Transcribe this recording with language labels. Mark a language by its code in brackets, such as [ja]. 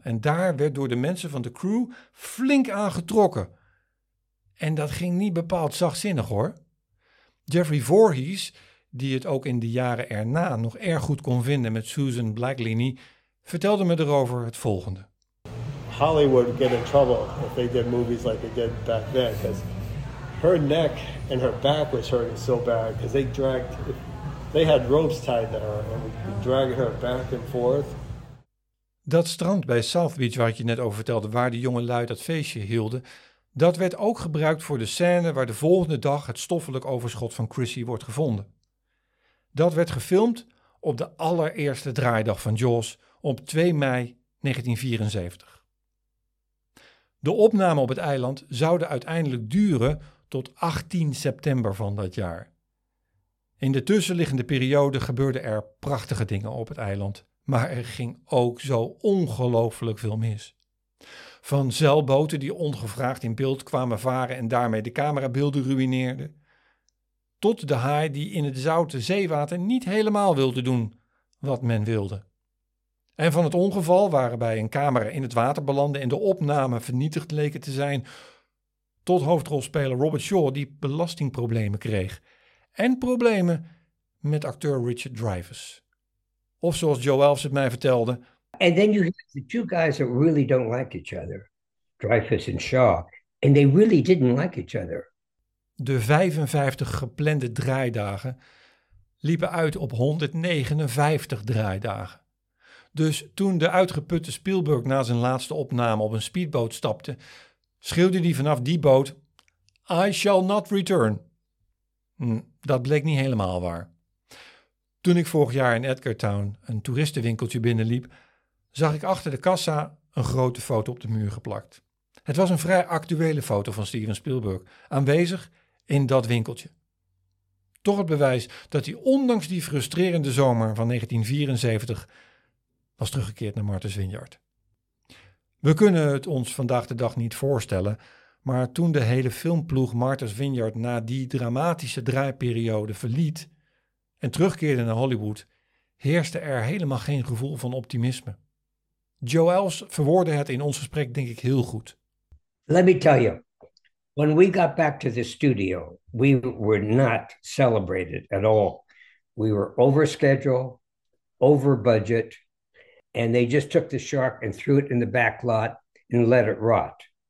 [nl] En daar werd door de mensen van de crew flink aan getrokken. En dat ging niet bepaald zachtzinnig hoor. Jeffrey Voorhees, die het ook in de jaren erna nog erg goed kon vinden met Susan Blackleeny, vertelde me erover het volgende. [en] Hollywood would get in trouble if they did movies like they did back then, because her neck and her back was hurting so bad, because they had ropes tied to her and dragging her back and forth. [nl] Dat strand bij South Beach waar ik je net over vertelde, waar de jonge lui dat feestje hielden, dat werd ook gebruikt voor de scène waar de volgende dag het stoffelijk overschot van Chrissy wordt gevonden. Dat werd gefilmd op de allereerste draaidag van Jaws op 2 mei 1974. De opname op het eiland zouden uiteindelijk duren tot 18 september van dat jaar. In de tussenliggende periode gebeurden er prachtige dingen op het eiland, maar er ging ook zo ongelooflijk veel mis. Van zeilboten die ongevraagd in beeld kwamen varen en daarmee de camerabeelden ruïneerden, tot de haai die in het zoute zeewater niet helemaal wilde doen wat men wilde. En van het ongeval waarbij een camera in het water belandde en de opname vernietigd leken te zijn, tot hoofdrolspeler Robert Shaw die belastingproblemen kreeg en problemen met acteur Richard Dreyfuss. Of zoals Joe Elfs het mij vertelde. [en] And then you have the two guys that really don't like each other, Dreyfuss and Shaw, and they really didn't like each other. [nl] De 55 geplande draaidagen liepen uit op 159 draaidagen. Dus toen de uitgeputte Spielberg na zijn laatste opname op een speedboot stapte, schreeuwde hij vanaf die boot, [en] I shall not return. [nl] Dat bleek niet helemaal waar. Toen ik vorig jaar in Edgartown een toeristenwinkeltje binnenliep, zag ik achter de kassa een grote foto op de muur geplakt. Het was een vrij actuele foto van Steven Spielberg, aanwezig in dat winkeltje. Toch het bewijs dat hij ondanks die frustrerende zomer van 1974 was teruggekeerd naar Martha's Vineyard. We kunnen het ons vandaag de dag niet voorstellen, maar toen de hele filmploeg Martha's Vineyard na die dramatische draaiperiode verliet en terugkeerde naar Hollywood, heerste er helemaal geen gevoel van optimisme. Joe Els verwoordde het in ons gesprek denk ik heel goed. [en] Let me tell you, when we got back to the studio, we were not celebrated at all. We were over schedule, over budget, and they just took the shark and threw it in the back lot and let it rot.